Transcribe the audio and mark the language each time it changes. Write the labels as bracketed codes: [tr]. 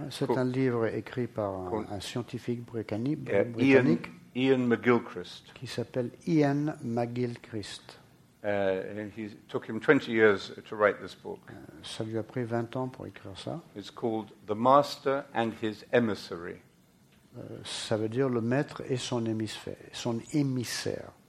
[fr] C'est un livre écrit par un scientifique britannique. Ian McGilchrist. Qui s'appelle Ian McGilchrist. [en] And he took him 20 years to write this book. [fr] Ça lui a pris 20 ans pour écrire ça. [en] It's called The Master and His Emissary. [fr] Ça veut dire le maître et son émissaire.